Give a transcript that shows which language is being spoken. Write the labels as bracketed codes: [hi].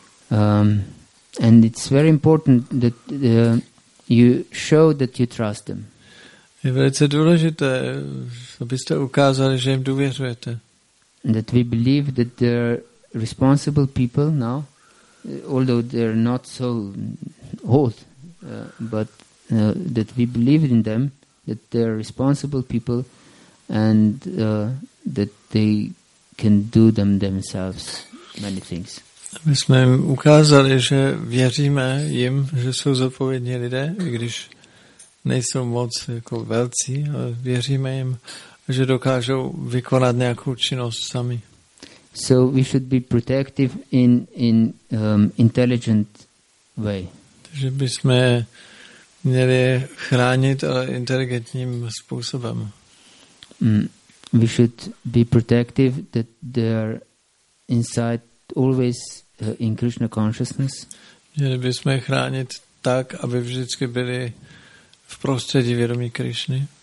[en] And it's very important that you show that you trust them. [cs] Je velice důležité, abyste ukázali, že jim důvěřujete. [en] That we believe that they're responsible people now, although they're not so old, but that we believe in them, that they're responsible people, and that they can do them themselves many things. [cs] My jsme jim ukázali, že věříme jim, že jsou zodpovědní lidé, i když nejsou moc jako velcí, ale věříme jim, že dokážou vykonat nějakou činnost sami. [en] So we should be protective in intelligent way. [cs] Takže bychom měli chránit inteligentním způsobem. [en] We should be protective that they are inside always in Krishna consciousness. [cs] Měli bychom chránit tak, aby vždycky byli v prostředí vědomí Krishny.